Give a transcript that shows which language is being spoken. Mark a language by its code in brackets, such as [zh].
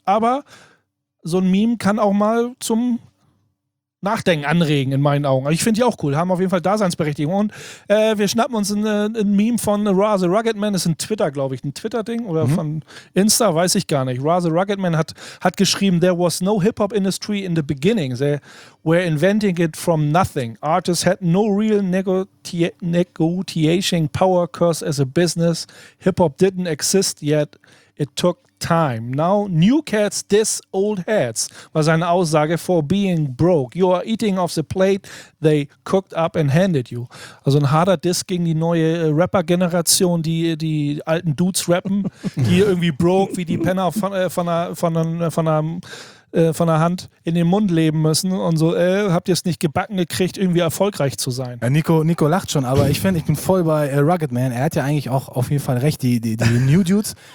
[de] Aber so ein Meme kann auch mal zum Nachdenken anregen, in meinen Augen. Ich finde die auch cool, haben auf jeden Fall Daseinsberechtigung. Und wir schnappen uns ein Meme von Ra the Rugged Man, ist ein Twitter, glaube ich, ein Twitter-Ding oder von Insta, weiß ich gar nicht. Ra the Rugged Man hat geschrieben, [en] there was no hip-hop industry in the beginning. They were inventing it from nothing. Artists had no real negotiation power curse as a business. Hip-hop didn't exist yet. It took time. Now new cats diss old heads, [de] war seine Aussage, [en] for being broke. You are eating off the plate they cooked up and handed you. [de] Also ein harter Diss gegen die neue Rapper-Generation, die alten Dudes rappen, die irgendwie broke, wie die Penner von der Hand in den Mund leben müssen und so, habt ihr es nicht gebacken gekriegt, irgendwie erfolgreich zu sein? Ja, Nico lacht schon, aber ich finde, ich bin voll bei Rugged Man. Er hat ja eigentlich auch auf jeden Fall recht, die New Dudes.